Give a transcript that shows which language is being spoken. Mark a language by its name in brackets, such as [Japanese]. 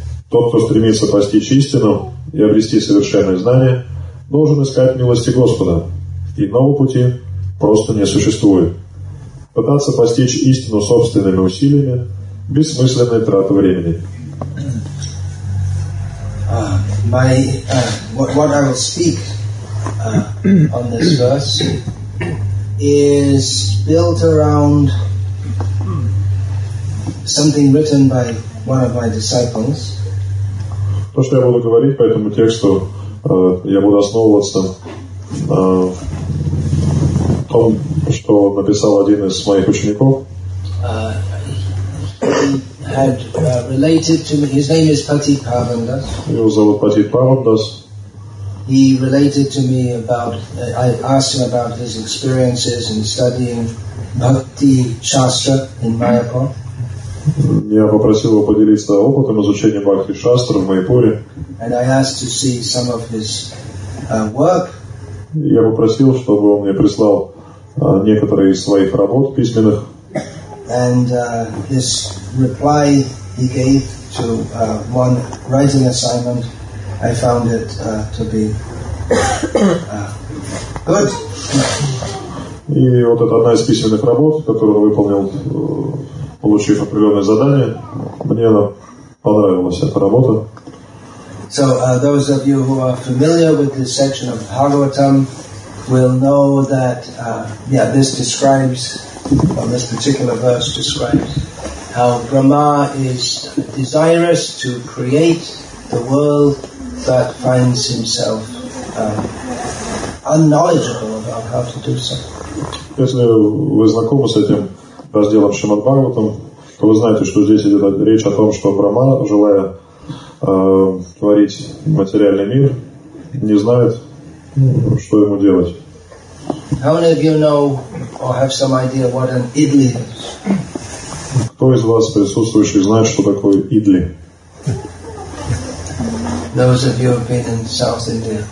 [Russian] Тот, кто стремится постичь истину и обрести совершенное знание, должен искать милости Господа. Иного пути просто не существует. Пытаться постичь истину собственными усилиями – бессмысленная трата времени. [English] What I will speak on this verse is built around something written by one of my disciples. [Russian] То, что я буду говорить по этому тексту, я буду основываться на том, что написал один из моих учеников. [English] His name is Patit Pavandas. [Russian] Его зовут Патит Павандас. [English] He related to me about, I asked him about his experiences in studying Bhakti Shastra in Mayapur. [Russian] Я попросил его поделиться опытом изучения Бхакти Шастры в Майпуре. [English] And I asked to see some of his work. [Russian] Я попросил, чтобы он мне прислал некоторые из своих работ письменных. [English] And his reply he gave to one writing assignment, I found it to be good. [Russian] И вот это одна из письменных работ, которую он выполнил, получив определенное задание, мне она понравилась, эта работа. [English] So those of you who are familiar with this section of Bhagavatam will know that this describes, well, this particular verse describes how Brahma is desirous to create the world but finds himself unknowledgeable about how to do so. [Russian] Если вы знакомы с этим разделом Шримад-Бхагаватам, то вы знаете, что здесь идет речь о том, что брахман, желая творить материальный мир, не знает, что ему делать. [English] How many of you know or have some idea what an idli is? [Russian] Кто из вас присутствующих знает, что такое идли? [English] Those of you who have been in South India.